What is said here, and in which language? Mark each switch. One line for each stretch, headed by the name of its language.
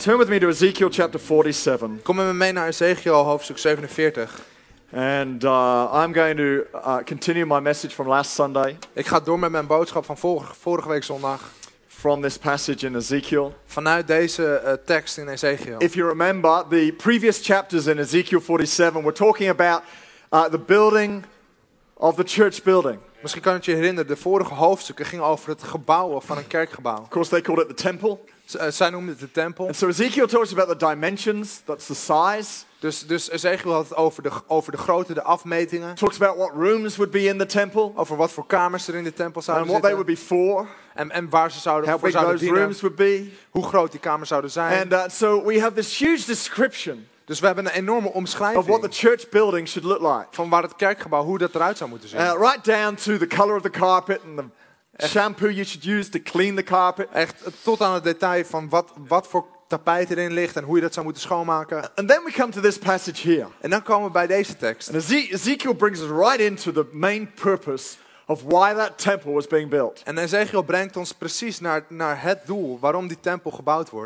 English: Turn with me to Ezekiel chapter 47.
Dutch: Kom met me mee naar Ezekiel hoofdstuk 47.
English: And I'm going to continue my message from last Sunday.
Dutch: Ik ga door met mijn boodschap van vorige week zondag.
English: From this passage in Ezekiel.
Dutch: Vanuit deze tekst in Ezekiel.
English: If you remember, the previous chapters in Ezekiel 47 were talking about the building of the church building.
Dutch: Misschien kan het je herinneren, de vorige hoofdstukken gingen over het gebouwen van een kerkgebouw.
English: Of course, they called it the temple.
Dutch: Zij noemden het de tempel.
English: And so Ezekiel talks about the dimensions, that's the size.
Dutch: Dus Ezekiel had het over de grootte, de afmetingen.
English: Talks about what rooms would be in the temple.
Dutch: Over wat voor kamers er in de tempel zouden zitten.
English: And what they would be for.
Dutch: En waar ze zouden voor zouden dienen. Rooms would be. Hoe groot die kamers zouden zijn.
English: And so we have this huge description.
Dutch: Dus we hebben een enorme omschrijving
English: of what the church building should look like.
Dutch: Van waar het kerkgebouw, hoe dat eruit zou moeten zien.
English: Right down to the color of the carpet and the shampoo you should use to clean the carpet.
Dutch: Echt tot aan het detail van wat voor tapijt erin ligt en hoe je dat zou moeten schoonmaken.
English: And then we come to this passage here.
Dutch: En dan komen we bij deze tekst.
English: And Ezekiel brings us right into the main purpose of why that temple was being built.
Dutch: En Ezekiel brengt ons precies naar het doel waarom die tempel gebouwd wordt.